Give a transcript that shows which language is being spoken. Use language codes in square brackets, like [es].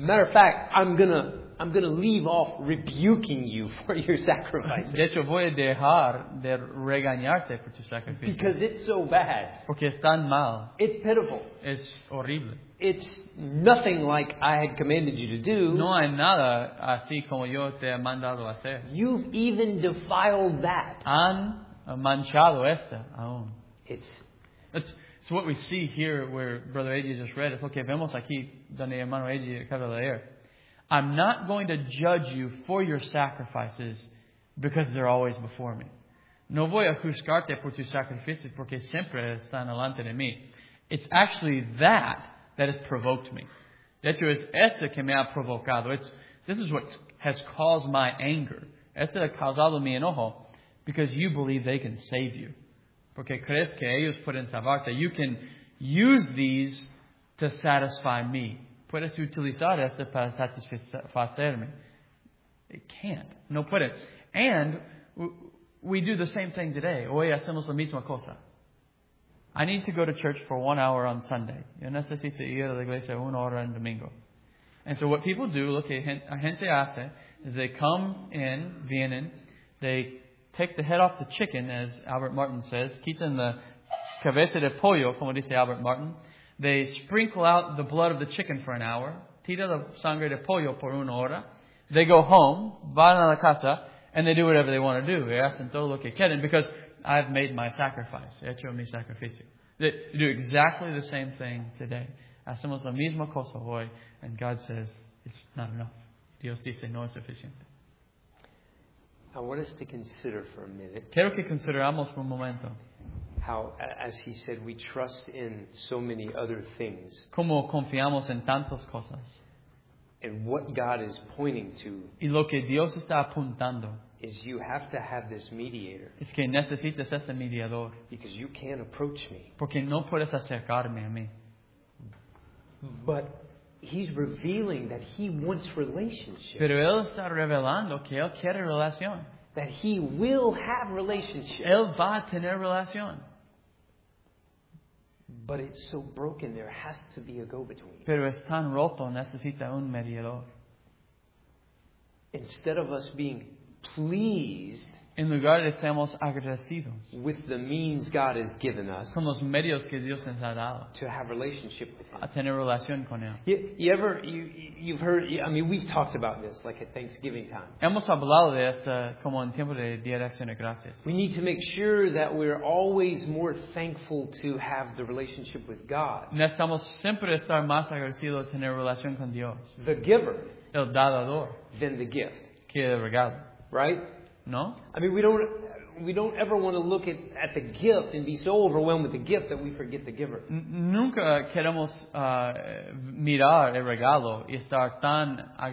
[en] Matter of fact, I'm gonna leave off rebuking you for your sacrifice. [es] De hecho, voy a dejar de regañarte por tu sacrificio. [en] Because it's so bad. [es] Porque es tan mal. [en] It's pitiful. [es] Es horrible. [en] It's nothing like I had commanded you to do. [es] No hay nada así como yo te he mandado a hacer. [en] You've even defiled that. [es] Han manchado esta aún. [en] It's what we see here where Brother Eddie just read. It's okay, [es] vemos aquí donde hermano Eddie acaba de leer. [en] I'm not going to judge you for your sacrifices because they're always before me. [es] No voy a juzgarte por tus sacrificios porque siempre están delante de mí. [en] It's actually that has provoked me. [es] De hecho, es esto que me ha provocado. [en] This is what has caused my anger. [es] Esto ha causado mi enojo [en] because you believe they can save you. [es] Porque crees que ellos pueden salvarte. [en] You can use these to satisfy me. [es] Puedes utilizar esto para satisfacerme. [en] It can't. [es] No puede. [en] And we do the same thing today. [es] Hoy hacemos la misma cosa. [en] I need to go to church for 1 hour on Sunday. [es] Yo necesito ir a la iglesia 1 hora en domingo. [en] And so what people do, [es] lo que la gente hace, [en] is they come in, [es] vienen, [en] they take the head off the chicken, as Albert Martin says. [es] Quitan la cabeza de pollo, como dice Albert Martin. [en] They sprinkle out the blood of the chicken for an hour. [es] Tira la sangre de pollo por una hora. [en] They go home, [es] van a la casa, [en] and they do whatever they want to do. [es] Y hacen todo lo que quieren, [en] because I've made my sacrifice. [es] He hecho mi sacrificio. [en] They do exactly the same thing today. [es] Hacemos la misma cosa hoy, [en] and God says, it's not enough. [es] Dios dice, no es suficiente. [en] I want us to consider for a minute. [es] Quiero que consideramos por un momento. [en] How, as he said, we trust in so many other things. [es] Como confiamos en tantas cosas. [en] And what God is pointing to. [es] Y lo que Dios está apuntando. [en] Is you have to have this mediator. [es] Es que necesitas ese mediador. [en] Because you can't approach me. [es] Porque no puedes acercarme a mí. [en] But he's revealing that he wants relationship. [es] Pero él está revelando que él quiere relación. [en] That he will have relationship. [es] Él va a tener relación. [en] But it's so broken, there has to be a go-between. [es] Pero es tan roto, necesita un mediador. [en] Instead of us being pleased. [es] En lugar de estemos agradecidos. [en] With the means God has given us. [es] Con los medios que Dios nos ha dado. [en] To have relationship with him. [es] A tener relación con él. [en] You've heard, I mean, we've talked about this, like at Thanksgiving time. [es] Hemos hablado de esto como en tiempo de Día de Acción de Gracias. [en] We need to make sure that we're always more thankful to have the relationship with God. [es] Necesitamos siempre estar más agradecidos a tener relación con Dios. [en] The giver. [es] El dador. [en] Than the gift. [es] Que el regalo. [en] Right? [es] No. [en] I mean, we don't ever want to look at the gift and be so overwhelmed with the gift that we forget the giver. [es] Nunca queremos mirar el regalo y estar tan